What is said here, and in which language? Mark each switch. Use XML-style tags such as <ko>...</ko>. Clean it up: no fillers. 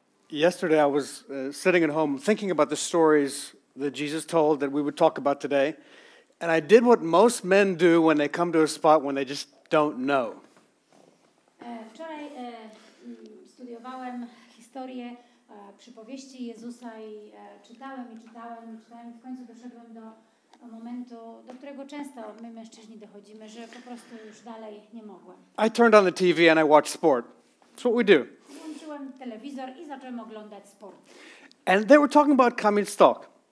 <en>Yesterday, I was sitting at home thinking about the stories that Jesus told that we would talk about today, and I did what most men do when they come to a spot when they just don't know.</en> <pl>Wczoraj studiowałem historię przypowieści Jezusa i czytałem i w końcu doszedłem do momentu, do którego często my mężczyźni dochodzimy, że po prostu już dalej nie mogłem.</pl> <en>I turned on the TV and I watched sport. That's what we do.</en> <pl>Włączyłem telewizor i zacząłem oglądać sport.</pl> <en>And they were talking about Kamil Stock.</en>